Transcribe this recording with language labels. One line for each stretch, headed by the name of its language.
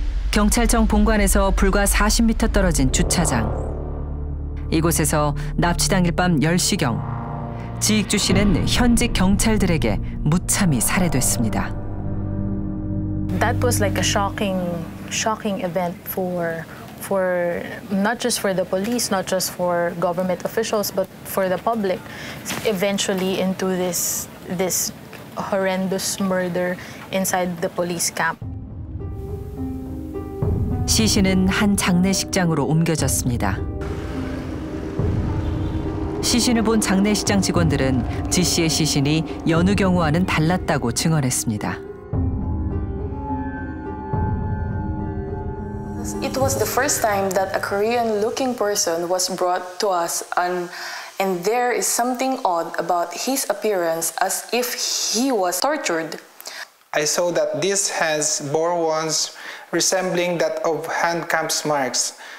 Korean: 경찰청 본관에서 불과 40m 떨어진 주차장. 이곳에서 납치 당일 밤 10시경 지익주 씨는 현지 경찰들에게 무참히 살해됐습니다.
English: That was like a shocking event for not just for the police, not just for government officials, but for the public. Eventually into this horrendous murder inside the police camp.
Korean: 시신은 한 장례식장으로 옮겨졌습니다. 시신을 본 장례식장 직원들은 지 씨의 시신이 여느 경우와는 달랐다고 증언했습니다.
English: It was the first time that a Korean-looking person was brought to us, and there is something odd about his appearance, as if he was tortured. I saw that this has bore wounds resembling that of hand clamp marks.